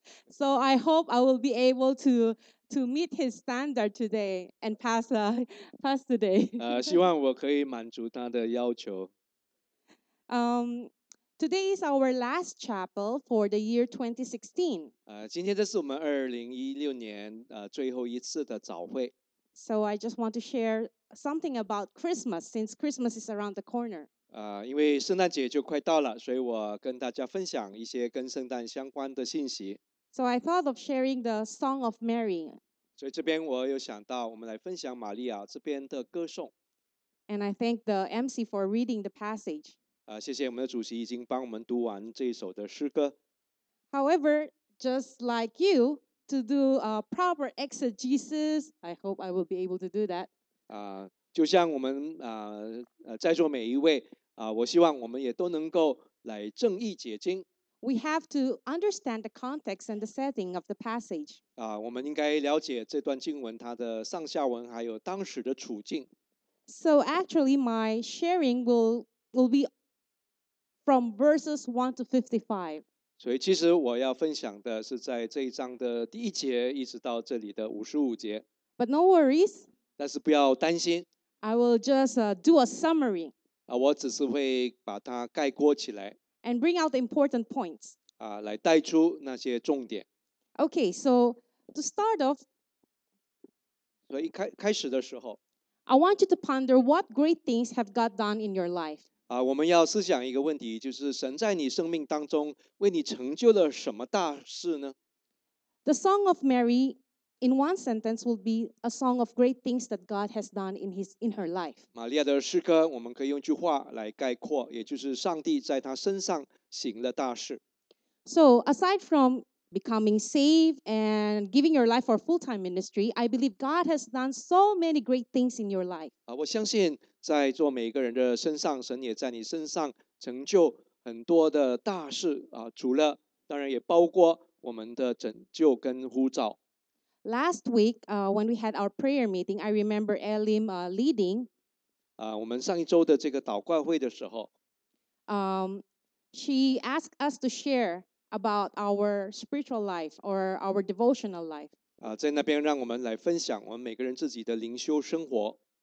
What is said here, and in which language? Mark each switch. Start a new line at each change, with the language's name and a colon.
English: So I hope I will be able to meet his standard today and pass today.
Chinese: 希望我可以满足他的要求。
English: Today is our last chapel for the year 2016.
Chinese: 今天这是我们2016年最后一次的早会。
English: So I just want to share something about Christmas since Christmas is around the corner.
Chinese: 因为圣诞节就快到了，所以我跟大家分享一些跟圣诞相关的信息。
English: So I thought of sharing the Song of Mary.
Chinese: 所以这边我有想到，我们来分享玛利亚这边的歌颂。
English: And I thank the MC for reading the passage.
Chinese: 谢谢我们的主席已经帮我们读完这一首的诗歌。
English: However, just like you, to do a proper exegesis, I hope I will be able to do that.
Chinese: 就像我们在座每一位我希望我们也都能够来正义解经。
English: We have to understand the context and the setting of the passage.
Chinese: 我们应该了解这段经文它的上下文还有当时的处境。
English: So actually, my sharing will be from verses 1 to 55.
Chinese: 所以其实我要分享的是在这一章的第一节一直到这里的55节。
English: But no worries.
Chinese: 但是不要担心。
English: I will just do a summary.
Chinese: 我只是会把它概括起来。
English: And bring out the important points.
Chinese: 来带出那些重点。
English: Okay, so to start off.
Chinese: 所以开始的时候。
English: I want you to ponder what great things have God done in your life.
Chinese: 我们要思想一个问题，就是神在你生命当中为你成就了什么大事呢？
English: The song of Mary, in one sentence, will be a song of great things that God has done in her life.
Chinese: 玛利亚的诗歌，我们可以用句话来概括，也就是上帝在她身上行了大事。
English: So, aside from becoming saved and giving your life for full-time ministry, I believe God has done so many great things in your life.
Chinese: 我相信在做每个人的身上，神也在你身上成就很多的大事，除了，当然也包括我们的拯救跟呼召。
English: Last week, when we had our prayer meeting, I remember Elim leading.
Chinese: 我们上一周的这个祷告会的时候，
English: she asked us to share about our spiritual life or our devotional life.
Chinese: 在那边让我们来分享我们每个人自己的灵修生活。